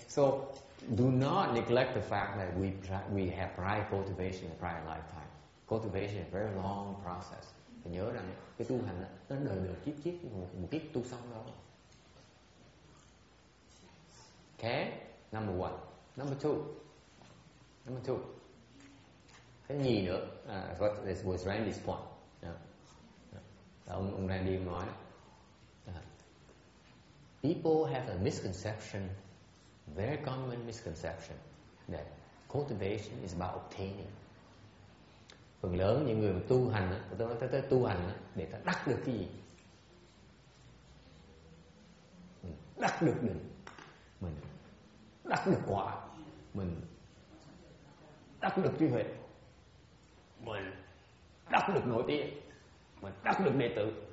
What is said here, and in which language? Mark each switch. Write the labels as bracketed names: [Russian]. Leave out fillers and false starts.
[English] So, do not neglect the fact that we have prior cultivation in prior lifetime. Cultivation is a very long process. [Vietnamese] Thì nhớ rằng cái tu hành đó, nó đời đời kiếp kiếp một kiếp tu xong đó. [English] Okay. Number one. Number two. [Vietnamese] Cái gì nữa? [English] What this was Randy's point. [Vietnamese] Ông Randy nói [English] people have a misconception, very common misconception, that cultivation is about obtaining. [Vietnamese] Phần lớn những người tu hành, tôi nói tới tu hành để ta đắc được cái gì? Đắc được đường, mình đắc được quả, mình đắc được trí huệ, mình đắc được nổi tiếng, mình đắc được đệ tử.